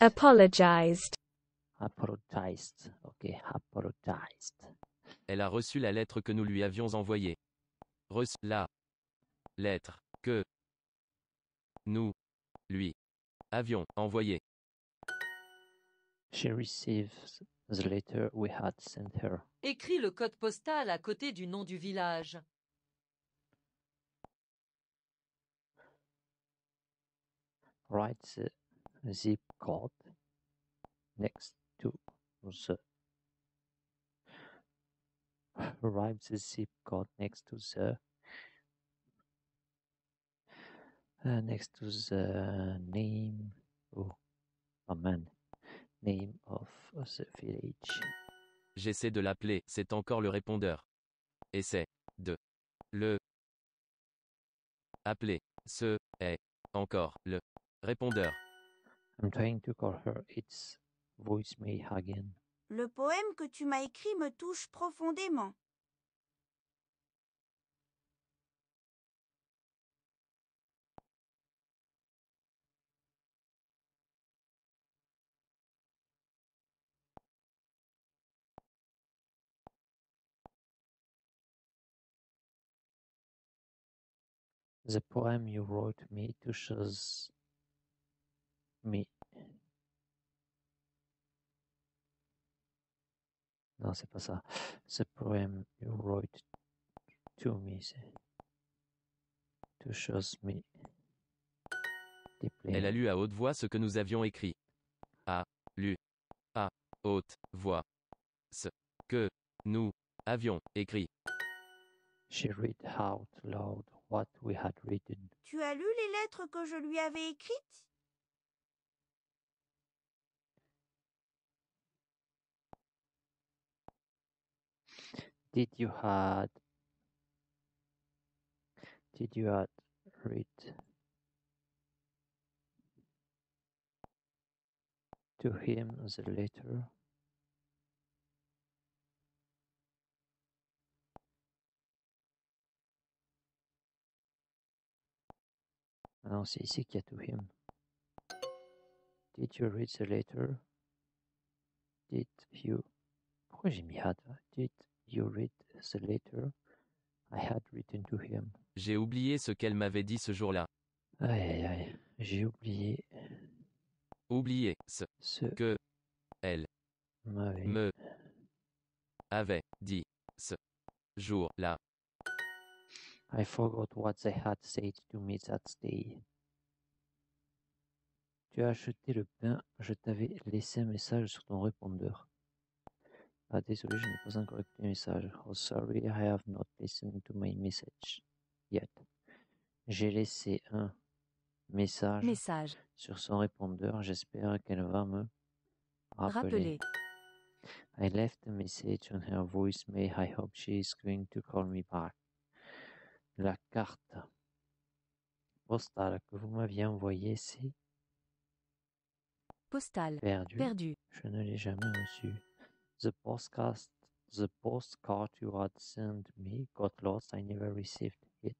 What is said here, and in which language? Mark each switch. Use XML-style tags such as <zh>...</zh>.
<en>Apologized. Apologized. Ok, apologized.</en> <fr>Elle a reçu la lettre que nous lui avions envoyée. Reçu la lettre que nous lui avions envoyée.</fr> <en>She receives the letter we had sent her.</en> <fr>Écris le code postal à côté du nom du village.</fr> <en>Write the zip code next to the. Write the zip code next to the. Next to the name. Oh, amen. Name of the village.</en> <fr>J'essaie de l'appeler, c'est encore le répondeur. Essaie de le appeler, ce est encore le répondeur.</fr> <en>I'm trying to call her, it's voicemail again.</en> <fr>Le poème que tu m'as écrit me touche profondément.</fr> <en>The poem you wrote me touches me.</en> <fr>Non, c'est pas ça.</fr> <en>The poem you wrote to me touches me</en> <fr>Elle a</fr> <en>deeply.</en> <fr>lu à haute voix ce que nous avions écrit. A lu à haute voix ce que nous avions écrit.</fr> <en>She read out loud. What we had written.</en> <fr>Tu as lu les lettres que je lui avais écrites?</fr> <en>Did you had? Did you had read to him the letter?</en> <fr>Non, c'est ici qu'il y a</fr> <en>to him. Did you read the letter? Did you.</en> <fr>Pourquoi j'ai mis</fr> <en>had? Did you read the letter I had written to him?</en> <fr>J'ai oublié ce qu'elle m'avait dit ce jour-là. Aïe, aïe, aïe. J'ai oublié. Oublié ce Ce. que elle M'avait. me avait dit ce jour-là.</fr> <en>I forgot what they had said to me that day.</en> <fr>Tu as acheté le pain, je t'avais laissé un message sur ton répondeur. Ah, désolé, je n'ai pas encore écouté le message.</fr> <en>Oh, sorry, I have not listened to my message yet.</en> <fr>J'ai laissé un message Message. sur son répondeur, j'espère qu'elle va me rappeler. Rappeler.</fr> <en>I left a message on her voicemail, I hope she is going to call me back.</en> <fr>La carte postale que vous m'aviez envoyée s'est Postal. perdue. Perdu. Je ne l'ai jamais reçue.</fr> <en>The postcard you had sent me got lost. I never received it.</en>